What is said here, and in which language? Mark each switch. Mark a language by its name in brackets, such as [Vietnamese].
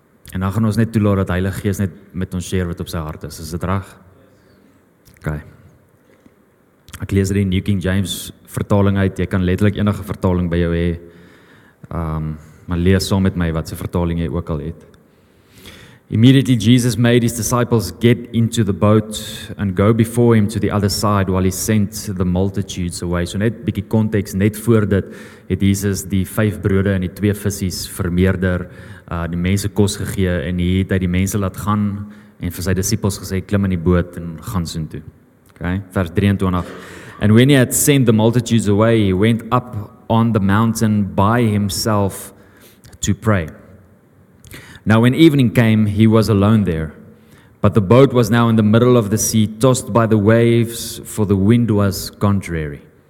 [Afrikaans] En dan gaan ons net toelaat dat Heilige Gees net met ons share wat op sy hart is. Is dit reg? Ok. Ek lees die New King James vertaling uit. Jy kan letterlik enige vertaling by jou hê. Maar lees saam met my wat sy vertaling jy ook al het. [English] Immediately Jesus made his disciples get into the boat and go before him to the other side while he sent the multitudes away. [Afrikaans] So net bietjie context, net voor dit het Jesus die 5 brode en die 2 visse vermeerder, die mense kos gegee en hier het hy die mense laat gaan en vir sy disciples gesê, klim in die boot en gaan soen toe. Okay, vers 23. [English] And when he had sent the multitudes away, he went up on the mountain by himself to pray. Now when evening came, he was alone there. But the boat was now in the middle of the sea, tossed by the waves, for the wind was contrary.